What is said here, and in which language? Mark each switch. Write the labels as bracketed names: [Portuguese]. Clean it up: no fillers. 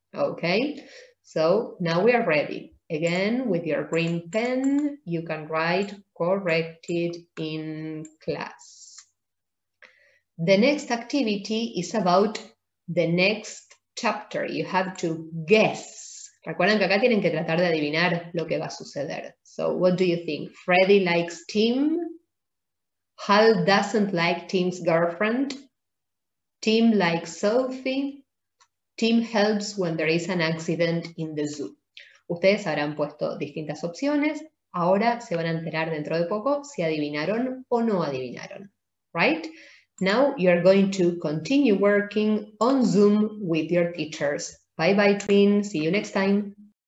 [English] Okay, so now we are ready. Again, with your green pen, you can write corrected in class. The next activity is about the next chapter. You have to guess. [Spanish] Recuerden que acá tienen que tratar de adivinar lo que va a suceder. [English] So, what do you think? Freddy likes Tim? Hal doesn't like Tim's girlfriend? Tim likes Sophie? Tim helps when there is an accident in the zoo? [Spanish] Ustedes habrán puesto distintas opciones. Ahora se van a enterar dentro de poco si adivinaron o no adivinaron. [English] Right? Now you're going to continue working on Zoom with your teachers. Bye bye, Tween. See you next time.